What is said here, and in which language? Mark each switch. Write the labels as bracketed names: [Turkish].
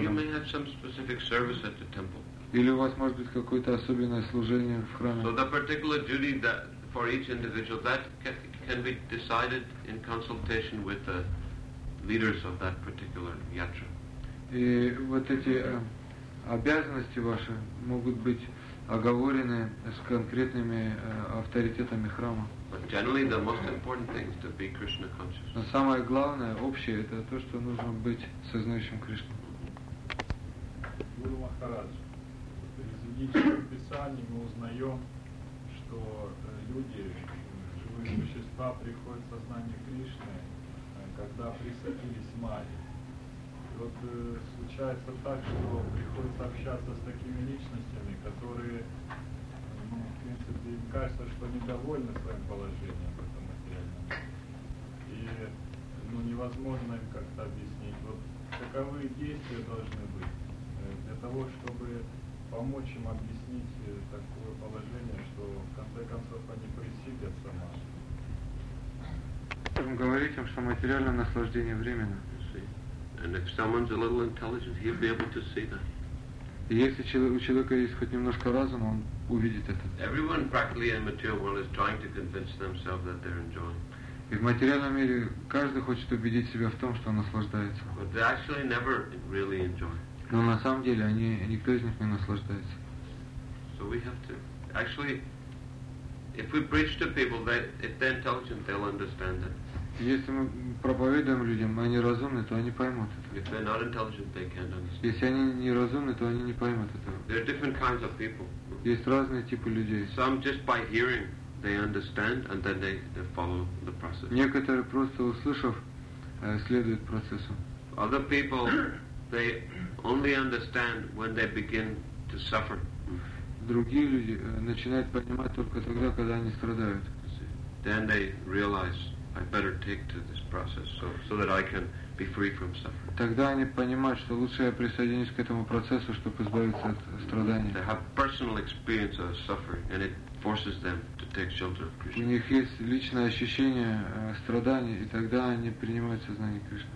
[English] Or you may have some specific service at the temple. [Russian] Или у вас может быть какое-то особенное служение в храме. [English] So the particular duty that for each individual that can be decided in consultation with the leaders of that particular yatra. [Russian] И вот эти обязанности ваши могут быть оговорены с конкретными авторитетами храма. [English] But generally the most important thing is to be Krishna conscious. [Russian] Но самое главное, общее, это то, что нужно быть сознающим Кришну. Гуру Махарадж, из ведических писаний мы узнаем, что люди, живые существа, приходят в сознание Кришны, когда присоединились майи. Вот случается так, что приходится общаться с такими личностями, которые, ну, в принципе, им кажется, что недовольны своим положением в этом материальном. И, ну, невозможно им как-то объяснить, вот каковы действия должны быть для того, чтобы помочь им объяснить такое положение, что в конце концов они присидят сама. Говорить им, что материальное наслаждение временно. [English] And if someone's a little intelligent, he'll be able to see that. [Russian] Если у человека есть хоть немножко разума, он увидит это. [English] Everyone practically in the material world is trying to convince themselves that they're enjoying. [Russian] И в материальном мире каждый хочет убедить себя в том, что он наслаждается. [English] But they actually never really enjoy. [Russian] Но на самом деле они никто из них не наслаждается. [English] So we have to actually, if we preach to people that if they're intelligent, they'll understand that. [Russian] Если мы проповедуем людям, и они разумны, то они поймут это. [English] If they're not intelligent, they can't understand. [Russian] Если они не разумны, то они не поймут это. [English] There are different kinds of people. [Russian] Есть разные типы людей. [English] Some just by hearing, they understand, and then they follow the process. [Russian] Некоторые просто услышав, следуют процессу. [English] Other people, they only understand when they begin to suffer. [Russian] Другие люди начинают понимать только тогда, когда они страдают. [English] Then they realize I better take to this process so that I can be free from suffering. [Russian] Тогда они понимают, что лучше я присоединюсь к этому процессу, чтобы избавиться от страданий. [English] They have personal experience of suffering, and it forces them to take shelter of Krishna. [Russian] У них есть личное ощущение страданий, и тогда они принимают сознание Кришны.